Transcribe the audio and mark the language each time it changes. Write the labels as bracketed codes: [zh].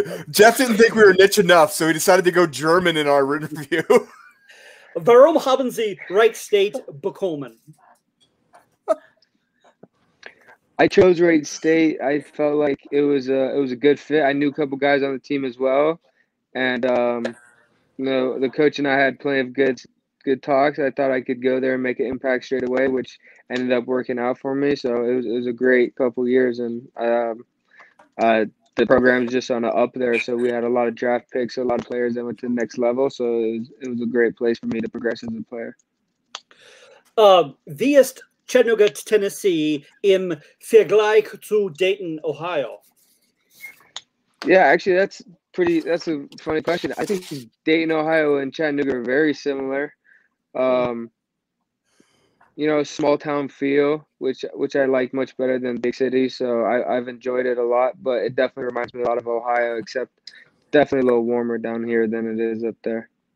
[en] Jeff didn't think we were niche enough, so he decided to go German in our interview. [de] Warum haben Sie Reichstadt bekommen? [en] I chose Reichstadt. I felt like it was a good fit. I knew a couple guys on the team as well. And you know, the coach and I had plenty of good talks. I thought I could go there and make an impact straight away, which ended up working out for me. So it was a great couple years. And the program is just on the up there. So we had a lot of draft picks, a lot of players that went to the next level. So it was a great place for me to progress as a player. [de] Wie ist Chattanooga, Tennessee im Vergleich zu Dayton, Ohio? [en] Yeah, actually, that's a funny question. I think Dayton, Ohio and Chattanooga are very similar. You know, small town feel, which I like much better than big city. So I've enjoyed it a lot, but it definitely reminds me a lot of Ohio, except definitely a little warmer down here than it is up there.